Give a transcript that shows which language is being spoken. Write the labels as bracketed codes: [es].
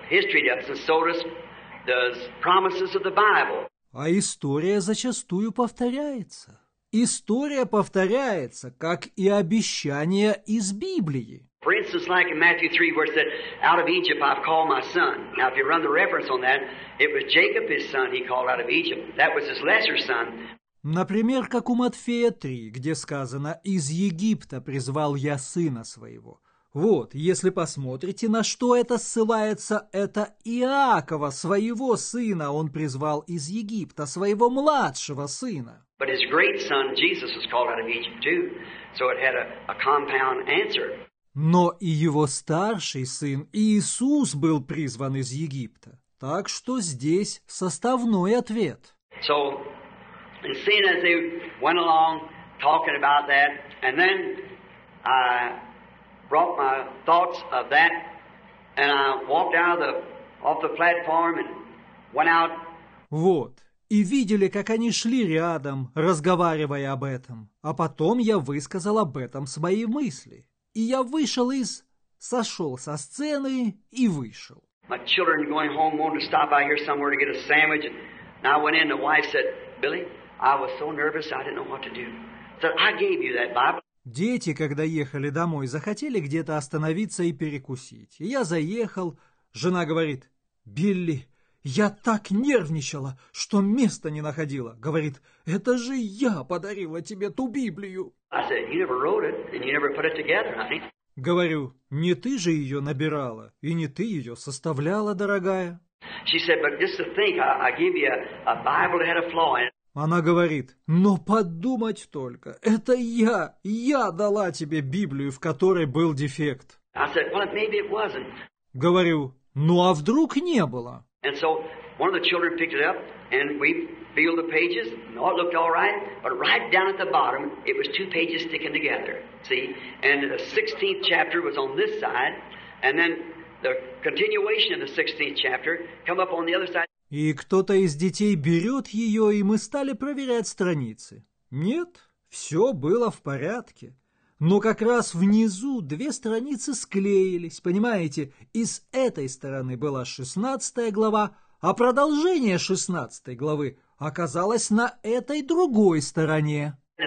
[en] History does, and so does promises of the Bible. [ru] А история зачастую повторяется. История повторяется, как и обещания из Библии. [en] For instance, like in Matthew 3, where it said, out of Egypt I've called my son. Now, if you run the reference on that, it was Jacob, his son, he called out of Egypt. That was his lesser son. [ru] Например, как у Матфея 3, где сказано «Из Египта призвал я сына своего». Вот, если посмотрите, на что это ссылается, это Иакова, своего сына, он призвал из Египта, своего младшего сына. [en] But his great son, Jesus, was called out of Egypt too, so it had a compound answer. [ru] Но и его старший сын Иисус был призван из Египта. Так что здесь составной ответ. [en] So, and seeing as they went along talking about that, and then I brought my thoughts of that, and I walked out of off the platform and went out. [ru] Вот. И видели, как они шли рядом, разговаривая об этом. А потом я высказал об этом свои мысли. И я вышел из... сошел со сцены и вышел. [en] My children going home wanted to stop by here somewhere to get a sandwich. And I went in, the wife said, Billy, I was so nervous, I didn't know what to do. So I gave you that Bible. [ru] Дети, когда ехали домой, захотели где-то остановиться и перекусить. И я заехал, жена говорит, Билли, я так нервничала, что места не находила. Говорит, это же я подарила тебе ту Библию. [en] I said, you never wrote it, and you never put it together, honey. [ru] Говорю, не ты же ее набирала, и не ты ее составляла, дорогая. [en] She said, but just to think, I gave you a Bible that had a flaw in it. [ru] Она говорит, но подумать только, это я дала тебе Библию, в которой был дефект. [en] I said, well, maybe it wasn't. [ru] Говорю, ну а вдруг не было? [en] And so one of the children picked it up, and we peeled the pages, and it looked all right, but right down at the bottom, it was two pages sticking together, see? And the 16th chapter was on this side, and then the continuation of the 16th chapter come up on the other side. [ru] И кто-то из детей берет ее, и мы стали проверять страницы. Нет, все было в порядке. Но как раз внизу две страницы склеились, понимаете? И с этой стороны была 16 глава, а продолжение 16 главы оказалось на этой другой стороне.